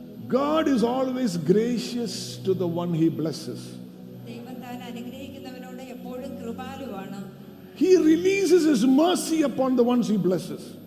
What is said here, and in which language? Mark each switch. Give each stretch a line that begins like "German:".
English: God is always gracious to the one he blesses.
Malayalam: ദൈവം താൻ അനുഗ്രഹിക്കുന്നവനോട് എപ്പോഴും കൃപാലുവാണ്.
English: He releases his mercy upon the ones he blesses.